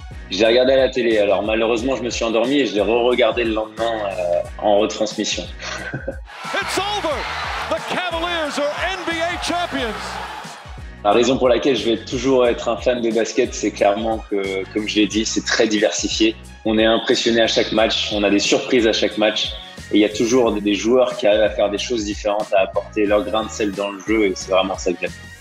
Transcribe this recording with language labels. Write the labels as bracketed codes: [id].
[fr] J'ai regardé à la télé, alors malheureusement je me suis endormi et je l'ai re-regardé le lendemain en retransmission. [en] It's over. The Cavaliers are NBA champions. [fr] La raison pour laquelle je vais toujours être un fan de basket, c'est clairement que, comme je l'ai dit, c'est très diversifié. On est impressionné à chaque match, on a des surprises à chaque match. Et il y a toujours des joueurs qui arrivent à faire des choses différentes, à apporter leur grain de sel dans le jeu, et c'est vraiment ça que j'aime.